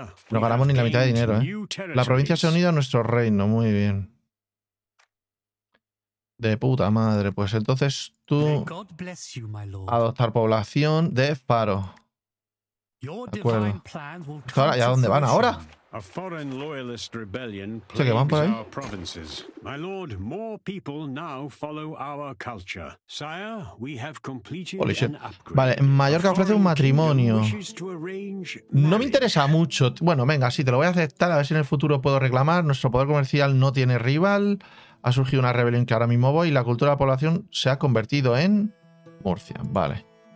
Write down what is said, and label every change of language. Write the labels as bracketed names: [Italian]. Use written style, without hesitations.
[Spanish] No ganamos ni la mitad de dinero, ¿eh? La provincia se ha unido a nuestro reino, muy bien. De puta madre, pues entonces tú... Adoptar población de Faro. De acuerdo. Ahora, ¿y a dónde van ahora? [English] A foreign loyalist rebellion plagues our provinces. My lord, more people now follow our culture. Sire, we have completed an upgrade. [Spanish] Vale, Mallorca ofrece un matrimonio. No me interesa mucho. Bueno, venga, sí, te lo voy a aceptar. A ver si en el futuro puedo reclamar. Nuestro poder comercial no tiene rival. Ha surgido una rebelión que ahora mismo voy. Y la cultura de la población se ha convertido en Murcia. Vale.